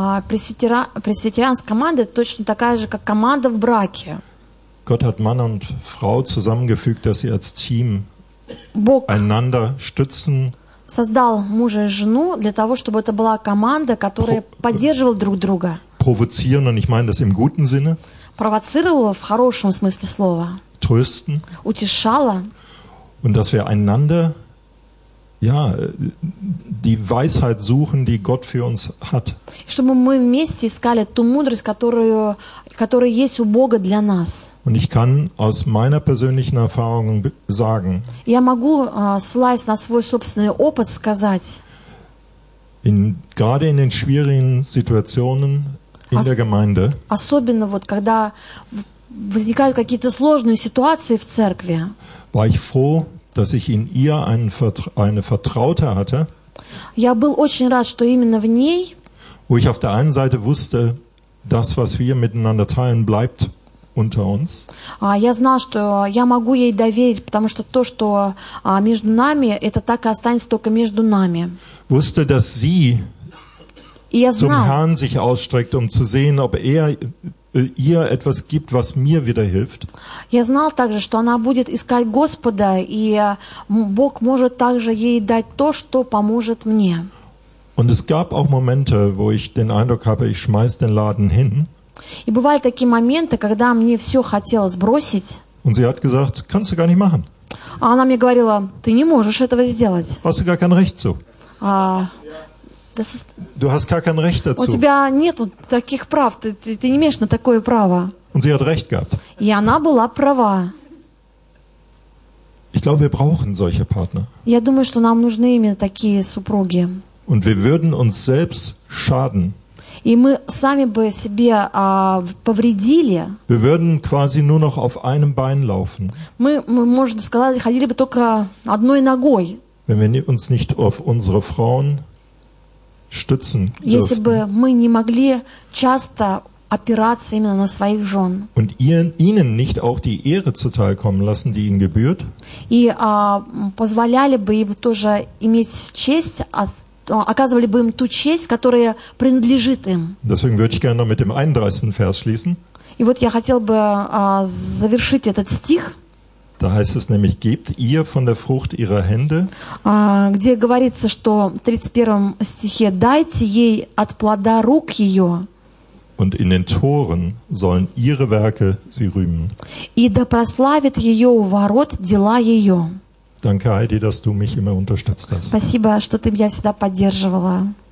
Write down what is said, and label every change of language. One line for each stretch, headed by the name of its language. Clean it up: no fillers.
Russian: Пресвитерианская команда точно такая же, как команда в браке.
German: Gott hat Mann und Frau zusammengefügt, dass sie als Team einander stützen.
Russian: Создал мужа и жену для того, чтобы это была команда, которая поддерживала друг друга.
German: Provozieren, und ich meine das im guten Sinne.
Russian: Провоцировала в хорошем смысле слова.
German: Trösten.
Russian: Утешала.
German: Und dass wir einander ja, die Weisheit suchen, die Gott für uns hat.
Russian: Чтобы мы вместе искали ту мудрость, которая есть у Бога для нас.
German: Und ich kann aus meiner persönlichen Erfahrung sagen.
Russian: Я могу ссылаясь на свой собственный опыт сказать.
German: Gerade in den schwierigen Situationen in der Gemeinde.
Russian: Особенно вот когда возникают какие-то сложные ситуации в церкви.
German: War ich froh, dass ich in ihr eine Vertraute hatte.
Russian: Я был очень рад, что именно в ней.
German: Wo ich auf der einen Seite wusste, das, was wir miteinander teilen, bleibt unter uns.
Russian: Я знал, что я могу ей доверить, потому что то, что между нами, это так и останется только между нами.
German: Wusste, dass sie zum Herrn sich ausstreckt, um zu sehen, ob er ihr etwas gibt, was mir wieder hilft.
Russian: Я знал также, что она будет искать Господа, и Бог может также ей дать то, что поможет мне.
German: Und es gab auch Momente, wo ich den Eindruck habe, ich schmeiß den Laden hin.
Russian: И бывали такие моменты, когда мне все хотелось бросить.
German: Und sie hat gesagt, kannst du gar nicht machen.
Russian: А она мне говорила, ты не можешь этого сделать.
German: Hast du gar kein Recht zu. Du hast gar kein Recht dazu.
Russian: У тебя нет таких прав, ты не имеешь на такое право.
German: Und sie hat recht gehabt.
Russian: И она была права.
German: Ich glaube, wir brauchen solche Partner.
Russian: Я думаю, что нам нужны именно такие супруги.
German: Und wir würden uns selbst schaden.
Russian: И мы сами бы себе повредили.
German: Wir würden quasi nur noch auf einem Bein laufen.
Russian: Мы можно сказать, ходили бы только одной ногой.
German: Wenn wir uns nicht auf unsere Frauen stützen dürften.
Russian: Если бы мы не могли часто опираться именно на своих жен.
German: Und ihnen nicht auch die Ehre zuteilkommen lassen, die ihnen gebührt.
Russian: И позволяли бы им тоже иметь честь, оказывали бы им ту честь, которая принадлежит им.
German: Deswegen würde ich gerne noch mit dem 31. Vers schließen.
Russian: И вот я хотел бы завершить этот стих.
German: Da heißt es nämlich, gebt ihr von der Frucht ihrer Hände.
Russian: Где говорится, что в 31 стихе дайте ей от плода рук ее.
German: Und in den Toren sollen ihre Werke sie rühmen.
Russian: И да прославит ее у ворот дела ее.
German: Danke, Heidi, dass du mich immer unterstützt hast.
Russian: Спасибо, что ты меня всегда поддерживала.